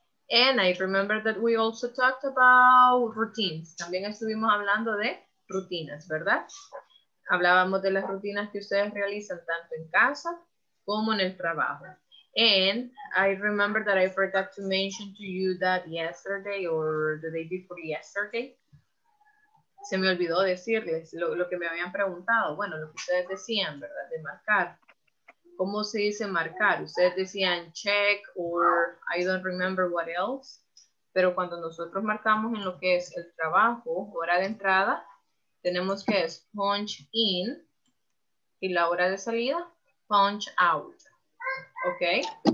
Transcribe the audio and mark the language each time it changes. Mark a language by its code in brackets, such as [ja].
[en] And I remember that we also talked about routines. [es] También estuvimos hablando de rutinas, ¿verdad? Hablábamos de las rutinas que ustedes realizan tanto en casa como en el trabajo. [en] And I remember that I forgot to mention to you that yesterday or the day before yesterday. [es] Se me olvidó decirles lo que me habían preguntado. Bueno, lo que ustedes decían, ¿verdad? De marcar. ¿Cómo se dice marcar? Ustedes decían [en] check or I don't remember what else. [es] Pero cuando nosotros marcamos en lo que es el trabajo, hora de entrada, tenemos que es punch in y la hora de salida, punch out. ¿Ok?